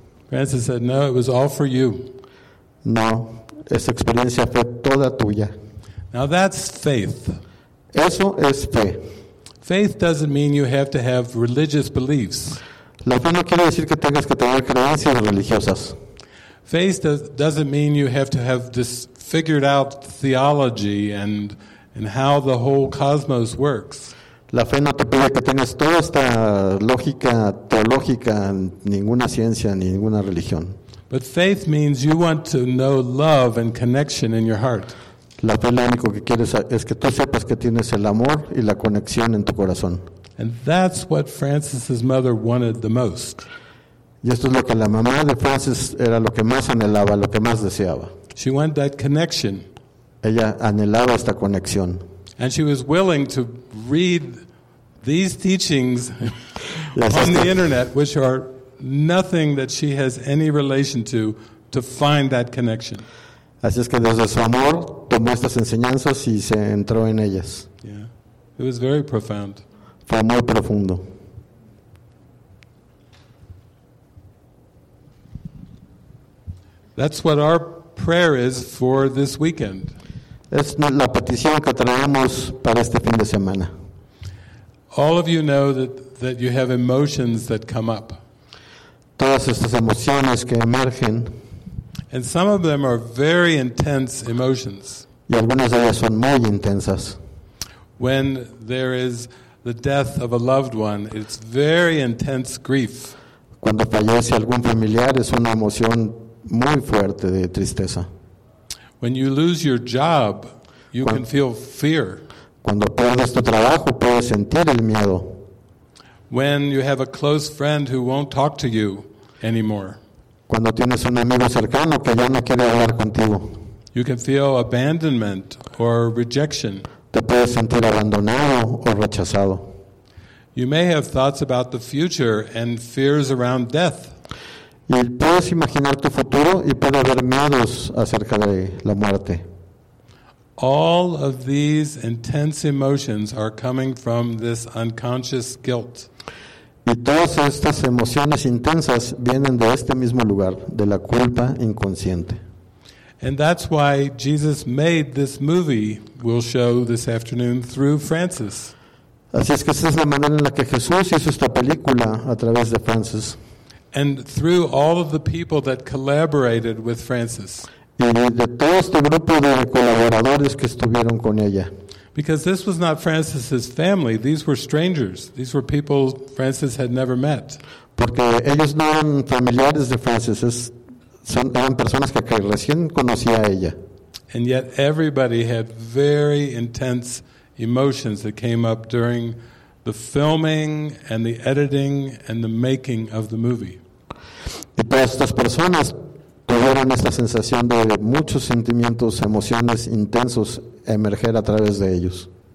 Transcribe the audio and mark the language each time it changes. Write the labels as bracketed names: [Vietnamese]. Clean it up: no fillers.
[English] Francis said, "No, it was all for you." [Spanish] No. Esa experiencia fue toda tuya. [English] Now that's faith. [Spanish] Eso es fe. [English] Faith doesn't mean you have to have religious beliefs. [Spanish] La fe no quiere decir que tengas que tener creencias religiosas. [English] Faith doesn't mean you have to have this figured out theology and how the whole cosmos works. [Spanish] La fe no te pide que tengas toda esta lógica teológica, ninguna ciencia ni ninguna religión. [English] But faith means you want to know love and connection in your heart. [Spanish] La fe lo único que quieres es que tú sepas que tienes el amor y la conexión en tu corazón. [English] And that's what Francis's mother wanted the most. [Spanish] Y esto es lo que la mamá de Francis era lo que más anhelaba, lo que más deseaba. [English] She wanted that connection. [Spanish] Ella anhelaba esta conexión. [English] And she was willing to read these teachings on the internet, which are nothing that she has any relation to find that connection. [Spanish] Así es que desde su amor tomó estas enseñanzas y se entró en ellas. [English] Yeah. It was very profound. [Spanish] Fue muy profundo. [English] That's what our prayer is for this weekend. [Spanish] Es la petición que traemos para este fin de semana. [English] All of you know that you have emotions that come up. [Spanish] Todas estas emociones que emergen. [English] And some of them are very intense emotions. [Spanish] Y algunas de ellas son muy intensas. [English] When there is the death of a loved one, it's very intense grief. [Spanish] Cuando fallece algún familiar es una emoción muy fuerte de tristeza. [English] When you lose your job, you can feel fear. [Spanish] Cuando pierdes tu trabajo, puedes sentir el miedo. [English] When you have a close friend who won't talk to you anymore. [Spanish] Cuando tienes un amigo cercano que ya no quiere hablar contigo. [English] You can feel abandonment or rejection. [Spanish] Te puedes sentir abandonado o rechazado. [English] You may have thoughts about the future and fears around death. [Spanish] Y puedes imaginar tu futuro y puede haber miedos acerca de la muerte. [English] All of these intense emotions are coming from this unconscious guilt. [Spanish] Y todas estas emociones intensas vienen de este mismo lugar, de la culpa inconsciente. [English] And that's why Jesus made this movie we'll show this afternoon through Francis. [Spanish] Así es que esa es la manera en la que Jesús hizo esta película a través de Francis. [English] And through all of the people that collaborated with Francis. [Spanish] Y de todo este grupo de colaboradores que estuvieron con ella. [English] Because this was not Francis's family. These were strangers. These were people Francis had never met. [Spanish] Porque ellos no eran familiares de Francis. Eran personas que recién conocía a ella. [English] And yet everybody had very intense emotions that came up during the filming and the editing and the making of the movie. [Spanish] Y todas estas personas tuvieron esta sensación de muchos sentimientos, emociones intensos emerger a través de ellos.